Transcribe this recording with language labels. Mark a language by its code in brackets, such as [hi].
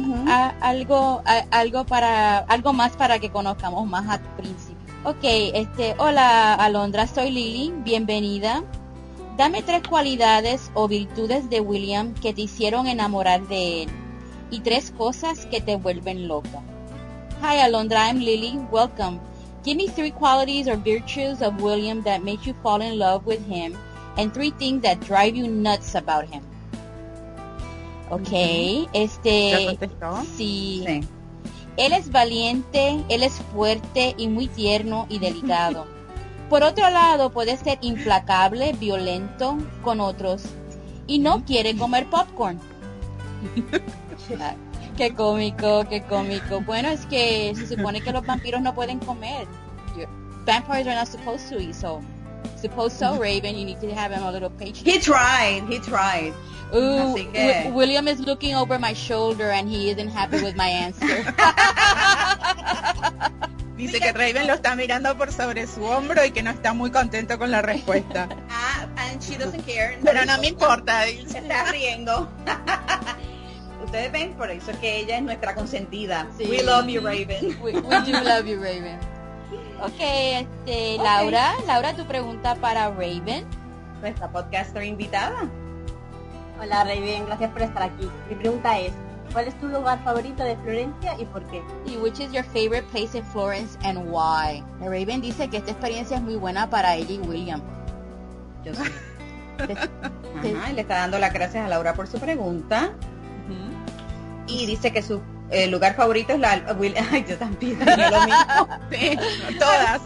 [es] Algo más para que conozcamos más a tu príncipe. Ok, hola Alondra, soy Lily, bienvenida. Dame tres cualidades o virtudes de William que te hicieron enamorar de él y tres cosas que te vuelven loca. [en] Hi Alondra, I'm Lily, welcome. Give me three qualities or virtues of William that made you fall in love with him and three things that drive you nuts about him. Ok, [es] ¿Ya contestó? Sí. Él es valiente, él es fuerte y muy tierno y delicado. Por otro lado, puede ser implacable, violento con otros y no quiere comer popcorn. Qué cómico, qué cómico. Bueno, es que se supone que los vampiros no pueden comer. [en] Vampires are not supposed to eat, so Suppose so, Raven. You need to have him a little page. He tried. Ooh, William is looking over my shoulder and he isn't happy with my answer. [es] Dice que Raven lo está mirando por sobre su hombro y que no está muy contento con la respuesta. [en] And she doesn't care. [es] Pero no me importa. Se está riendo. Ustedes ven, por eso es que ella es nuestra consentida. [en] Sí. We love you, Raven. We do love you, Raven. Okay, Laura. [es] Laura, tu pregunta para Raven. Nuestra podcaster invitada. Hola, Raven. Gracias por estar aquí. Mi pregunta es, ¿cuál es tu lugar favorito de Florencia y por qué? [en] And which is your favorite place in Florence and why? [es] Raven dice que esta experiencia es muy buena para ella y William. Yo sí. Ajá, y le está dando las gracias a Laura por su pregunta. Y dice que su lugar favorito es la... Ay, yo también. Yo lo mismo. Sí, todas.